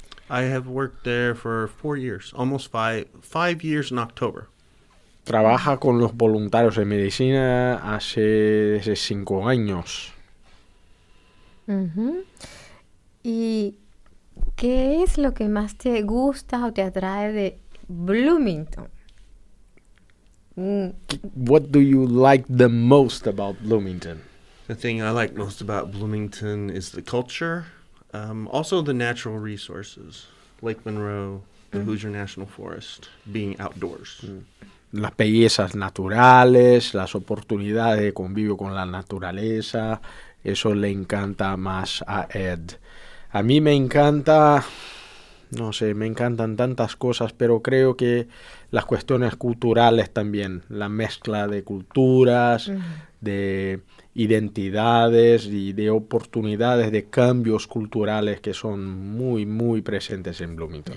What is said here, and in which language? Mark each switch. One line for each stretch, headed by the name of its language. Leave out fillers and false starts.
English: I have worked there for 4 years, almost five years in October.
Spanish: Trabaja con los voluntarios de medicina hace 5 años. Mm-hmm. ¿Y qué es lo que más te gusta o te atrae de Bloomington?
English: What do you like the most about Bloomington? The thing I like most about Bloomington is the culture, also the natural resources. Lake Monroe, the Hoosier National Forest, being outdoors. Mm.
Spanish: Las bellezas naturales, las oportunidades de convivio con la naturaleza, eso le encanta más a Ed. A mí me encanta, no sé, me encantan tantas cosas, pero creo que las cuestiones culturales también, la mezcla de culturas, de identidades y de oportunidades de cambios culturales que son muy, muy presentes en Bloomington.